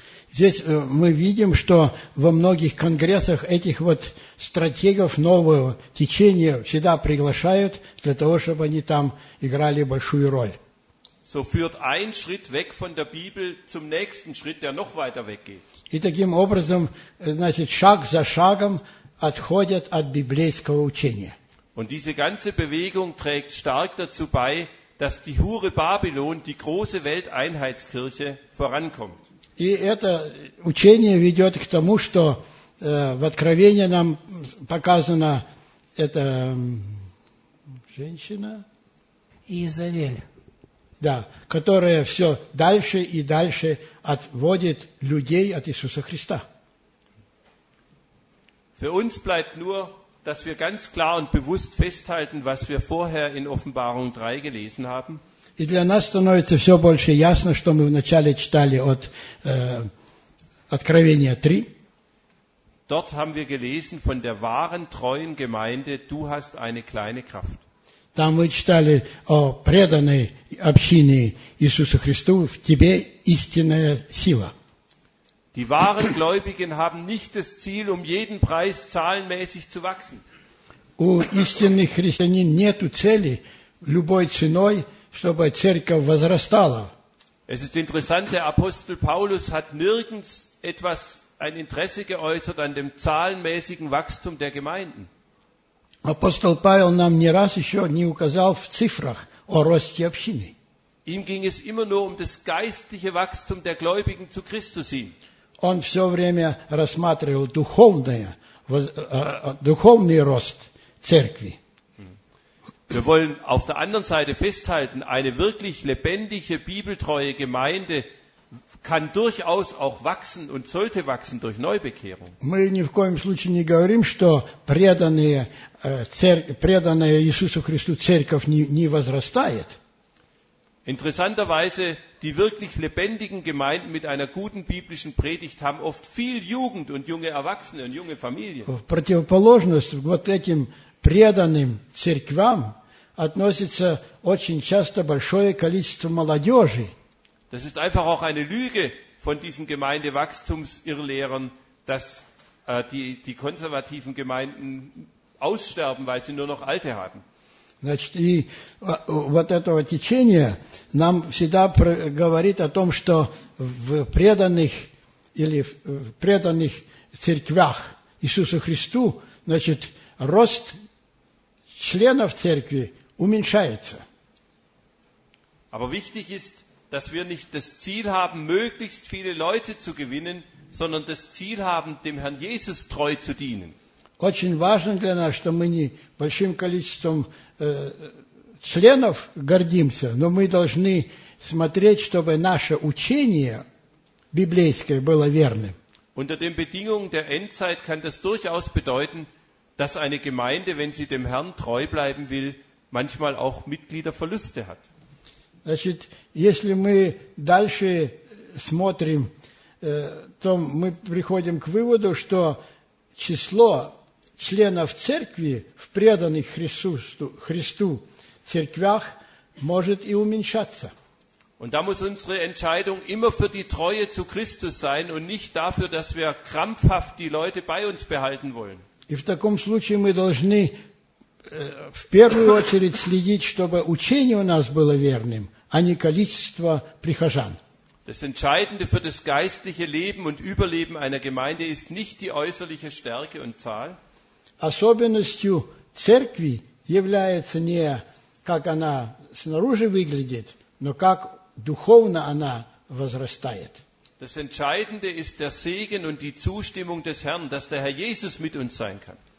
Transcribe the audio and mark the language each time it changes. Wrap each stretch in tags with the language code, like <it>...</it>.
<ru>Здесь мы видим, что во многих конгрессах этих вот стратегов нового течения всегда приглашают для того, чтобы они там играли большую роль.</ru> <de>So führt ein Schritt weg von der Bibel zum nächsten Schritt, der noch weiter weggeht.</de> <ru>И таким образом, значит, шаг за шагом отходят от библейского учения.</ru> <de>Und diese ganze Bewegung trägt stark dazu bei, dass die Hure Babylon, die große Welteinheitskirche, vorankommt.</de> <ru>И это учение ведет к тому, что в Откровении нам показана эта женщина Иезавель, да, которая все дальше и дальше отводит людей от Иисуса Христа.</ru> <de>Für uns bleibt nur, dass wir ganz klar und bewusst festhalten, was wir vorher in Offenbarung 3 gelesen haben.</de> <ru>И для нас становится все больше ясно, что мы вначале читали от Откровения 3.</ru> <de>Dort haben wir gelesen von der wahren treuen Gemeinde, du hast eine kleine Kraft.</de> <ru>Там мы читали о преданной общине Иисуса Христа, в тебе истинная сила.</ru> <de>Die wahren Gläubigen haben nicht das Ziel, um jeden Preis zahlenmäßig zu wachsen.</de> <ru>У истинных христианин нету цели любой ценой, чтобы церковь возрастала.</ru> <de>Es ist interessant, der Apostel Paulus hat nirgends etwas ein Interesse geäußert an dem zahlenmäßigen Wachstum der Gemeinden.</de> <ru>Апостол Павел нам ни раз еще не указал в цифрах о росте общины.</ru> <de>Ihm ging es immer nur um das geistliche Wachstum der Gläubigen zu Christus hin.</de> <ru>Он все время рассматривал духовный рост церкви.</ru> <de>Wir wollen auf der anderen Seite festhalten, eine wirklich lebendige, bibeltreue Gemeinde kann durchaus auch wachsen und sollte wachsen durch Neubekehrung.</de> <ru>Мы ни в коем случае не говорим, что преданная Иисусу Христу церковь не возрастает.</ru> <de>Interessanterweise, die wirklich lebendigen Gemeinden mit einer guten biblischen Predigt haben oft viel Jugend und junge Erwachsene und junge Familien.</de> <ru>В противоположность вот этим преданным церквям относится очень часто большое количество молодежи.</ru> <de>Das ist einfach auch eine Lüge von diesen Gemeindewachstumsirrlehrern, dass die konservativen Gemeinden aussterben, weil sie nur noch Alte haben.</de> <ru>Значит, и вот этого течения нам всегда говорит о том, что в преданных или в преданных церквях Иисусу Христу, значит, рост членов церкви уменьшается.</ru> <de>Aber wichtig ist, dass wir nicht das Ziel haben, möglichst viele Leute zu gewinnen, sondern das Ziel haben, dem Herrn Jesus treu zu dienen.</de> <ru>Очень важно для нас, что мы не большим количеством членов гордимся, но мы должны смотреть, чтобы наше учение библейское было верным.</ru> <de>Unter den Bedingungen der Endzeit kann das durchaus bedeuten, dass eine Gemeinde, wenn sie dem Herrn treu bleiben will, manchmal auch Mitgliederverluste hat.</de> <ru>Значит, если мы дальше смотрим, то мы приходим к выводу, что число членов церкви в преданных Христу церквях может и уменьшаться.</ru> <de>Und da muss unsere Entscheidung immer für die Treue zu Christus sein und nicht dafür, dass wir krampfhaft die Leute bei uns behalten wollen.</de> <ru>И в таком случае мы должны в первую очередь следить, чтобы учение у нас было верным, а не количество прихожан.</ru> <de>Das Entscheidende für das geistliche Leben und Überleben einer Gemeinde ist nicht die äußerliche Stärke und Zahl.</de> <ru>Особенностью церкви является не как она снаружи выглядит, но как духовно она возрастает.</ru> <de>Das Entscheidende ist der Segen und die Zustimmung des Herrn, dass der Herr Jesus mit uns sein kann.</de>